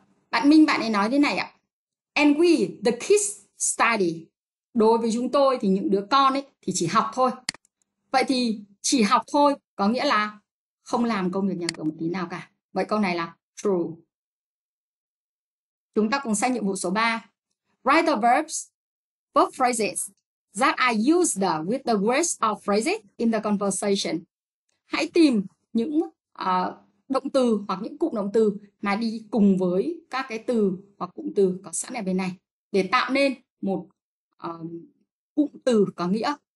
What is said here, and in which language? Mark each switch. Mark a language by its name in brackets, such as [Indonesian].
[Vietnamese] Bạn Minh bạn ấy nói thế này ạ. [English] And we, the kids, study. [Vietnamese] Đối với chúng tôi thì những đứa con ấy thì chỉ học thôi. Vậy thì chỉ học thôi có nghĩa là không làm công việc nhà cửa một tí nào cả. Vậy câu này là true. Chúng ta cùng xem nhiệm vụ số 3. [English] Write the verb phrases that I used with the words or phrases in the conversation. [Vietnamese] Hãy tìm những động từ hoặc những cụm động từ mà đi cùng với các cái từ hoặc cụm từ có sẵn ở bên này để tạo nên một cụm từ có nghĩa.